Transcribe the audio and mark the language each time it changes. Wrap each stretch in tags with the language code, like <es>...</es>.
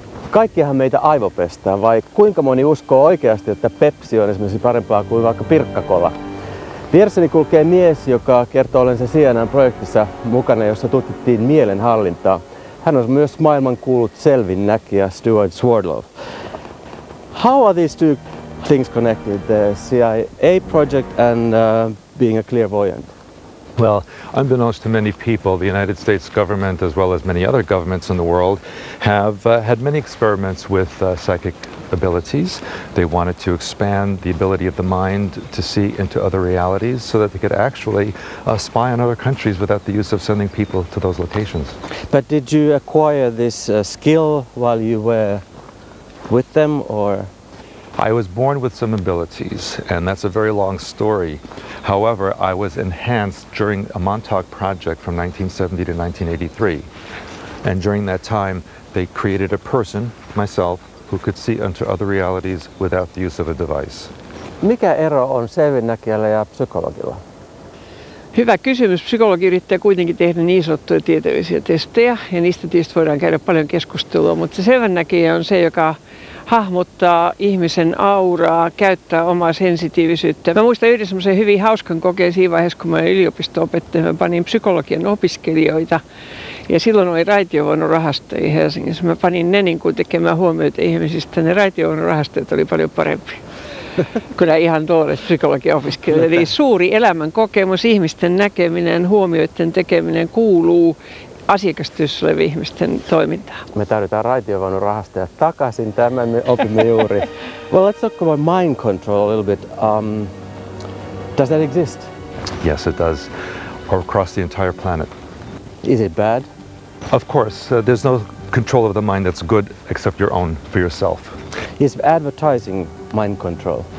<fi>Kaikkihan meitä aivopestää, vai kuinka moni uskoo oikeasti, että Pepsi on esimerkiksi parempaa kuin vaikka pirkkakola? Vieressäni kulkee mies, joka kertoo olen se CNN-projektissa mukana, jossa tutkittiin mielenhallintaa. Hän on myös maailman kuullut selvin näkijä Stuart Sverdlov.</fi> <en>How are these two things connected, the CIA project and being a clairvoyant? Well, unbeknownst to many people, the United States government, as well as many other governments in the world, have had many experiments with psychic abilities. They wanted to expand the ability of the mind to see into other realities so that they could actually spy on other countries without the use of sending people to those locations. But did you acquire this skill while you were with them, or? I was born with some abilities, and that's a very long story. However, I was enhanced during a Montauk project from 1970 to 1983. And during that time, they created a person, myself, who could see into other realities without the use of a device.</en> <fi>Mikä ero on selvinnäkijällä ja psykologilla? Hyvä kysymys. Psykologi yrittää kuitenkin tehdä niin sanottuja tieteellisiä testejä, ja niistä tietysti voidaan käydä paljon keskustelua, mutta selvinnäkijä on se, joka hahmottaa ihmisen auraa, käyttää omaa sensitiivisyyttä. Mä muistan yhden semmoisen hyvin hauskan kokeen siinä vaiheessa, kun mä olin yliopisto-opettaja. Mä panin psykologian opiskelijoita ja silloin oli raitiovaunurahastajia Helsingissä. Mä panin ne niin kuin tekemään huomioita ihmisistä. Ne raitiovaunurahastajat oli paljon parempi kuin ihan tuolle psykologian opiskelijoille. Eli suuri elämän kokemus, ihmisten näkeminen, huomioiden tekeminen kuuluu asiakastyössä olevien ihmisten toimintaa. Me tarvitaan raitiovaunun rahastajat takaisin. Tämän me opimme juuri.</fi> <en>Well, let's talk about mind control a little bit. Does that exist? Yes, it does. Or across the entire planet. Is it bad? Of course. There's no control of the mind that's good except your own for yourself. Is advertising mind control?</en>